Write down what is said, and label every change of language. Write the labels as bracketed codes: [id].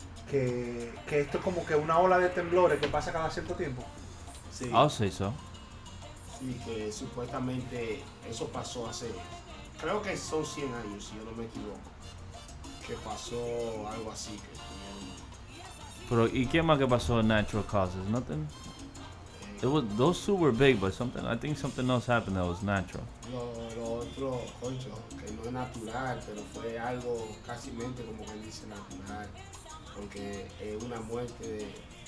[es] que esto es como que una ola de temblores que pasa cada cierto tiempo. Sí. [en] I'll say so. [es] Sí, que supuestamente eso pasó hace, creo que son 100 años, si yo no me equivoco, que pasó algo así. Que pero, ¿y qué más que pasó? [en] Natural causes, nothing. It was, those two were big, but something, I think something else happened that was natural. [es] Lo otro, concho, que no es natural, pero fue algo casi mente como que dice natural, porque es una muerte de...